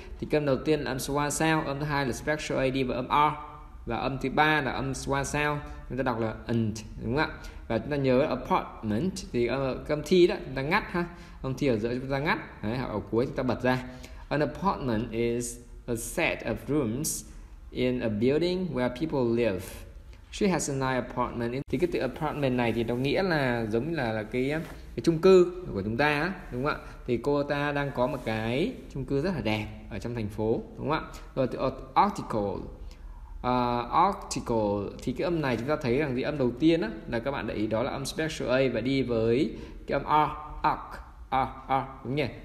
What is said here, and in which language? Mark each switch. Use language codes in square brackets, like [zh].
[vi] Thì âm đầu tiên là âm schwa sao, âm thứ hai là special ad và âm r. Và âm thứ ba là âm schwa sao, chúng ta đọc là ant, đúng không ạ? Và chúng ta nhớ apartment thì âm thi đó chúng ta ngắt ha, âm thi ở giữa chúng ta ngắt đấy, ở cuối chúng ta bật ra. [en] An apartment is a set of rooms in a building where people live. She has a nice apartment. [vi] Thì cái từ apartment này thì nó nghĩa là giống như là cái chung cư của chúng ta, đúng không ạ? Thì cô ta đang có một cái chung cư rất là đẹp ở trong thành phố, đúng không ạ? Rồi từ article. Article thì cái âm này chúng ta thấy rằng cái âm đầu tiên á là các bạn để ý đó là âm special a và đi với cái âm r, arc, r, đúng nhỉ?